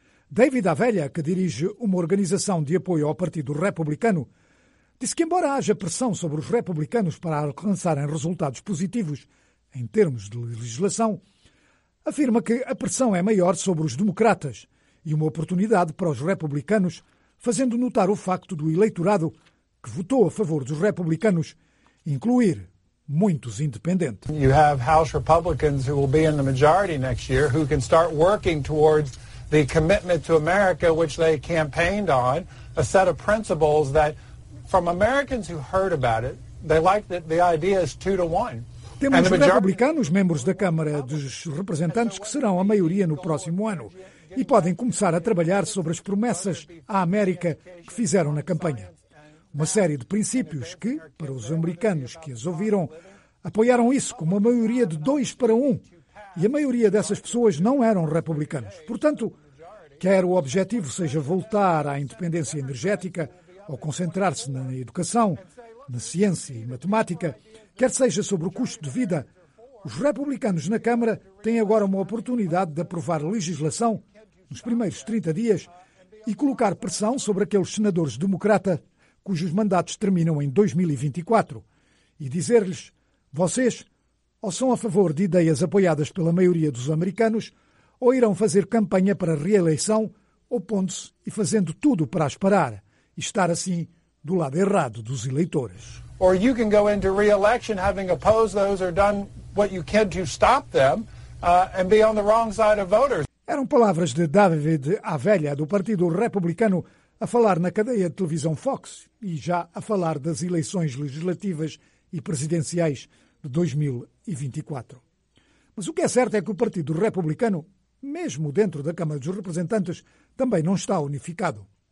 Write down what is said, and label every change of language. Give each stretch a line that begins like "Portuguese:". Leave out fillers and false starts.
Portuguese: David Avella, que dirige uma organização de apoio ao Partido Republicano, disse que embora haja pressão sobre os republicanos para alcançarem resultados positivos em termos de legislação, afirma que a pressão é maior sobre os democratas e uma oportunidade para os republicanos, fazendo notar o facto do eleitorado que votou a favor dos republicanos incluir muitos independentes.
English: You have House Republicans who will be in the majority next year who can start working towards the commitment to America which they campaigned on, a set of principles that from Americans who heard about it, they liked that the idea is 2-1.
Portuguese: Temos os republicanos, membros da Câmara dos Representantes, que serão a maioria no próximo ano e podem começar a trabalhar sobre as promessas à América que fizeram na campanha. Uma série de princípios que, para os americanos que as ouviram, apoiaram isso com uma maioria de 2-1. E a maioria dessas pessoas não eram republicanos. Portanto, quer o objetivo seja voltar à independência energética ou concentrar-se na educação, na ciência e matemática, quer seja sobre o custo de vida, os republicanos na Câmara têm agora uma oportunidade de aprovar legislação nos primeiros 30 dias e colocar pressão sobre aqueles senadores democrata cujos mandatos terminam em 2024 e dizer-lhes, vocês ou são a favor de ideias apoiadas pela maioria dos americanos ou irão fazer campanha para reeleição opondo-se e fazendo tudo para as parar e estar assim do lado errado dos eleitores.
English: Or you can go into re-election having opposed those or done what you can to stop them and be on the wrong side of voters.
Portuguese: Eram palavras de David Avella, do Partido Republicano, a falar na cadeia de televisão Fox e já a falar das eleições legislativas e presidenciais de 2024. Mas o que é certo é que o Partido Republicano, mesmo dentro da Câmara dos Representantes, também não está unificado.